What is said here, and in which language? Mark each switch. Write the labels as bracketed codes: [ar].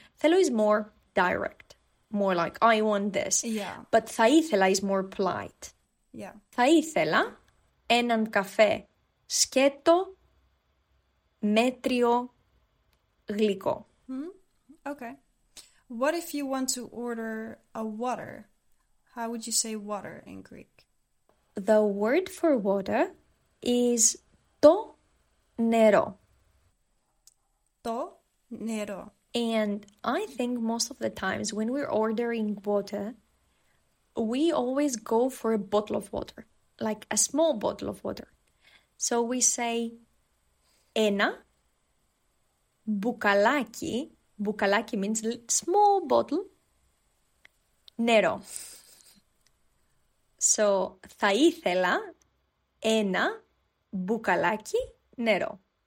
[en] Θέλω is more direct, more like I want this. Yeah. But θα ήθελα is more polite. Yeah. [el] Θα ήθελα έναν καφέ σκέτο μέτριο γλυκό. [en] Mm-hmm. Okay. What if you want to order a water? How would you say water in Greek? The word for water is το νερό. [el] Το νερό. [en] And I think most of the times when we're ordering water, we always go for a bottle of water, like a small bottle of water. So we say ένα μπουκαλάκι. Μπουκαλάκι means small bottle. Νερό. So, θα ήθελα ένα μπουκαλάκι νερό.